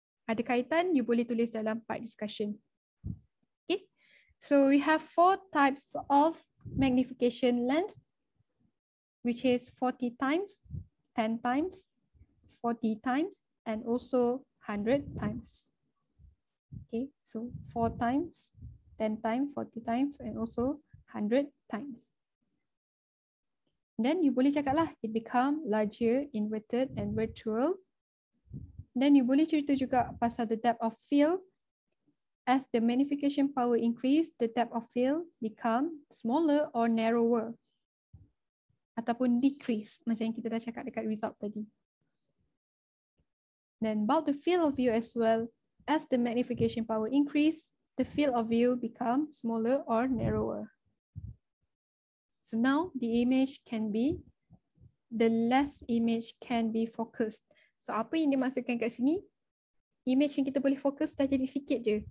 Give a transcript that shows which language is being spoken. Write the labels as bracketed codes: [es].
[ms] Ada kaitan, you boleh tulis dalam part discussion. [en] Okay. So we have four types of magnification lens, which is 40 times, 10 times, 40 times, and also 100 times. Okay. So 4 times, 10 times, 40 times, and also 100 times. Then you [ms] boleh cakap lah, [en] it become larger, inverted and virtual. Then you [ms] boleh cerita juga pasal [en] the depth of field. As the magnification power increase, the depth of field become smaller or narrower. [ms] Ataupun decrease, macam yang kita dah cakap dekat result tadi. [en] Then about the field of view as well. As the magnification power increase, the field of view become smaller or narrower. So now the image can be, the less image can be focused. [ms] So apa yang dimaksudkan kat sini, image yang kita boleh fokus dah jadi sikit je.